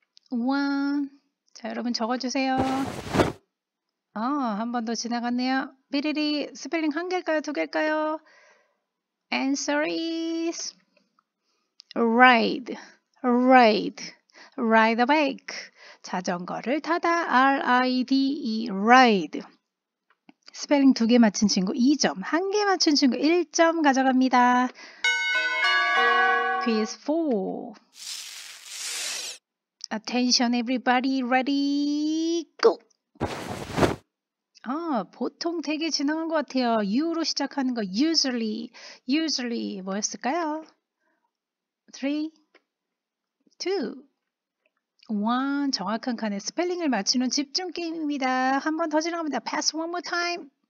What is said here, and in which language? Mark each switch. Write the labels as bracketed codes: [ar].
[ko] 3, 2, 1 자, 여러분, 적어주세요. 한 번 더 지나갔네요. 삐리리, 스펠링 한 개일까요? 두 개일까요? [en] Answer is ride, ride, ride a bike. [ko] 자전거를 타다, R-I-D-E, ride. 스펠링 두 개 맞힌 친구 2점, 한 개 맞힌 친구 1점 가져갑니다. [en] Quiz 4. Attention everybody, ready, go! [ko] 보통 되게 지나간 것 같아요. U로 시작하는 거 usually. Usually 뭐였을까요? 3, 2, 1 정확한 칸에 스펠링을 맞추는 집중 게임입니다. 한 번 더 지나갑니다. [en] Pass one more time.